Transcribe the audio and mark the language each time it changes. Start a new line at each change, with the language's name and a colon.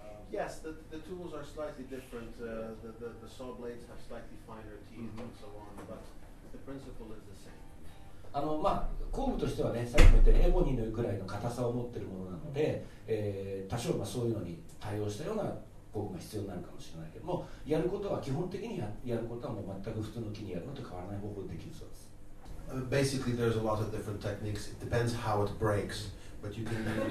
English: Yes, the tools are slightly different. The saw blades have slightly finer teeth and so on, but the principle is the same.
Japanese: まあ工具としてはね、さっきも言ったエボニーのぐらいの硬さを持っているものなので、多少まあそういうのに対応したような工具が必要になるかもしれないけども、やることは基本的にやることはもう全く普通の木にやるのと変わらない方法でできるそうです。
English: Basically, there's a lot of different techniques. It depends how it breaks, but you can.